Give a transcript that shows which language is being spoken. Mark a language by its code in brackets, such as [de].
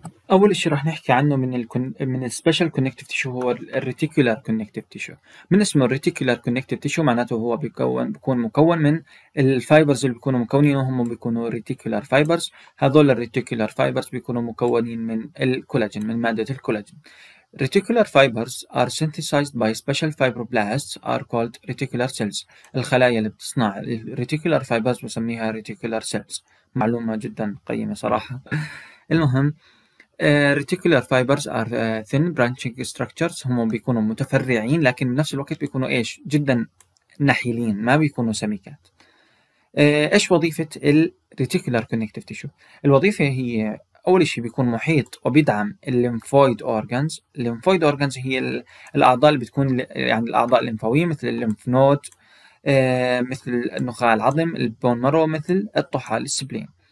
[ar] أول شيء راح نحكي عنه من السبيشال كونكتيف تيشو هو الريتيكولار كونكتيف تيشو. من اسمه الريتيكولار كونكتيف تيشو معناته هو بيكون مكون من الفايبرز اللي بيكونوا مكونينهم، بيكونوا ريتيكولار فايبرز. هذول الريتيكولار فايبرز بيكونوا مكونين من الكولاجين، من مادة الكولاجين. [en] Reticular fibers are synthesized by special fibroblasts are called reticular cells. [ar] الخلايا اللي بتصنع الريتيكولار فايبرز بسميها reticular cells. معلومة جدا قيمة صراحة. المهم [en] reticular fibers are thin branching structures. [ar] هم بيكونوا متفرعين لكن بنفس الوقت بيكونوا ايش؟ جدا نحيلين، ما بيكونوا سميكات. ايش وظيفة ال reticular connective tissue؟ الوظيفة هي اول شيء بيكون محيط وبيدعم الليمفويد organs. الليمفويد organs هي الاعضاء اللي بتكون يعني الاعضاء الليمفاوية مثل الليمف نود، مثل النخاع العظم، البون مارو، مثل الطحال، السبلين.